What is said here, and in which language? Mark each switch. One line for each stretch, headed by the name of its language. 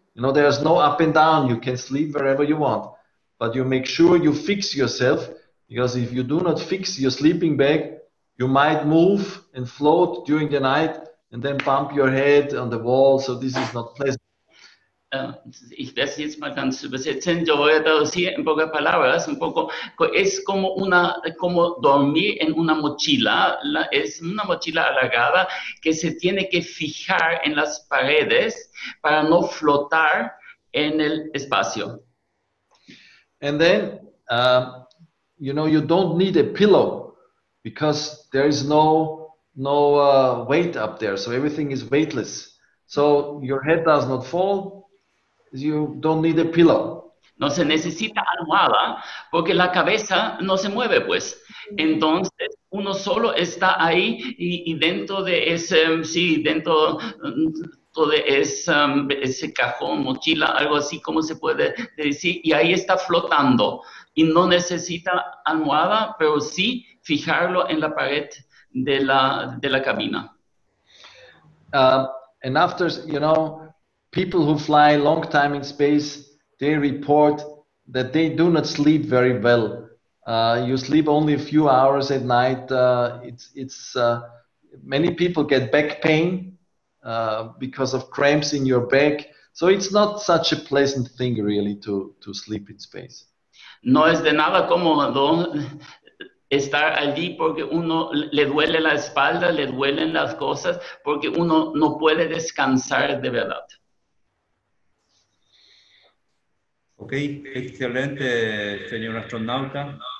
English: You know, there's no up and down. You can sleep wherever you want. But you make sure you fix yourself, because if you do not fix your sleeping bag, you might move and float during the night and then bump your head on the wall, so this is not pleasant.
German: Ich werde es jetzt mal ganz übersetzen.
Spanish: Yo voy a traducir en pocas palabras, un poco. Es como una, como dormir en una mochila. Es una mochila alargada que se tiene que fijar en las paredes para no flotar en el espacio.
English: And then, you know, you don't need a pillow because there is no weight up there, so everything is weightless. So your head does not fall. You don't need a pillow.
Spanish: No se necesita almohada porque la cabeza no se mueve, pues. Entonces uno solo está ahí y dentro de ese, sí, dentro de ese cajón, mochila, algo así, como se puede decir, y ahí está flotando y no necesita almohada, pero sí fijarlo en la pared de la cabina.
English: And after, you know, people who fly long time in space, they report that they do not sleep very well. You sleep only a few hours at night. It's many people get back pain because of cramps in your back. So it's not such a pleasant thing, really, to sleep in space.
Spanish: No es de nada cómodo estar allí porque uno le duele la espalda, le duelen las cosas, porque uno no puede descansar de verdad. Ok, excelente, señor astronauta.